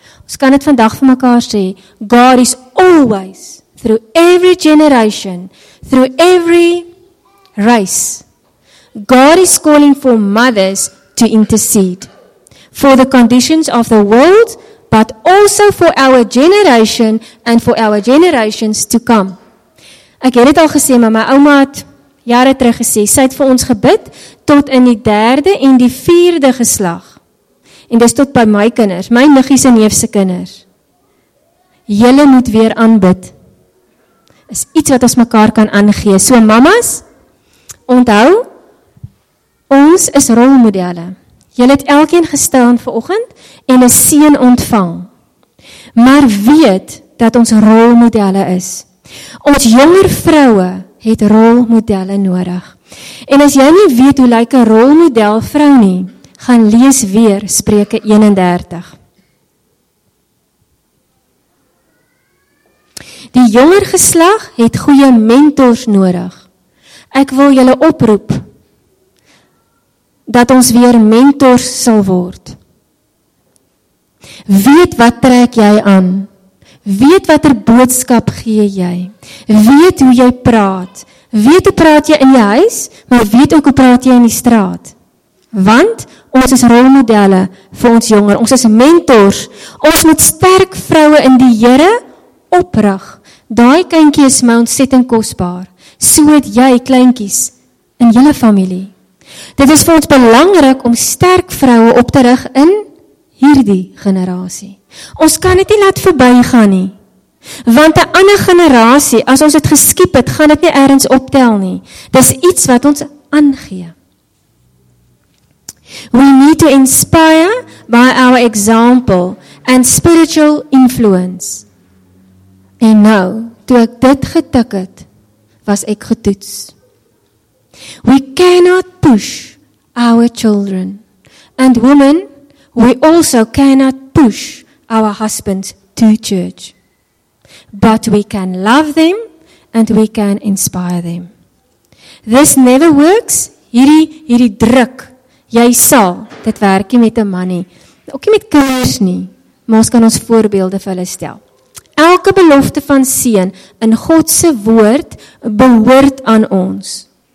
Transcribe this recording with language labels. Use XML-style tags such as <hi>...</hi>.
<af>Ons kan dit vandag vir mekaar sê,</af> <en>God is always, through every generation, through every race, God is calling for mothers to intercede for the conditions of the world, but also for our generation and for our generations to come.</en> <af>Ek het dit al gesê, maar my ouma het jare terug gesê, sy het vir ons gebid tot in die derde en die vierde geslag. En dis tot by my kinders, my niggies en neefs se kinders. Julle moet weer aanbid. Is iets wat ons mekaar kan aangee. So mamas, onthou, ons is rolmodelle. Julle het elkeen gestaan vanoggend en 'n seën ontvang. Maar weet dat ons rolmodelle is. Ons jonger vroue het rolmodelle nodig. En as jy nie weet hoe lyk 'n rolmodel vrou nie, gaan lees weer Spreuke 31. Die jonger geslag het goeie mentors nodig. Ek wil julle oproep dat ons weer mentors sal word. Weet wat trek jy aan? Weet watter boodskap gee jy? Weet hoe jy praat? Weet hoe praat jy in jou huis, maar weet ook hoe praat jy in die straat? Want ons is rolmodelle vir ons jonger. Ons is mentors. Ons moet sterk vroue in die Here oprig. Daai kindjie is my ontsettend kosbaar. So het jy kleintjies in julle familie. Dit is vir ons belangrik om sterk vroue op te rig in hierdie generasie. Ons kan dit nie laat verbygaan nie. Want 'n ander generasie, as ons dit geskiep het, gaan dit nie ergens optel nie. Dis iets wat ons aangee.</af> <en>We need to inspire by our example and spiritual influence.</en> <af>En nou, toe ek dit getik het, was ek getoets.</af> <en>We cannot push our children. And women, we also cannot push our husbands to church. But we can love them and we can inspire them. This never works.</en> <af>Hierdie druk. Jy sal. Dit werk nie met 'n man nie. Ook nie met kinders nie. Maar ons kan ons voorbeelde vir hulle stel. Elke belofte van seën in God se woord behoort aan ons.</af>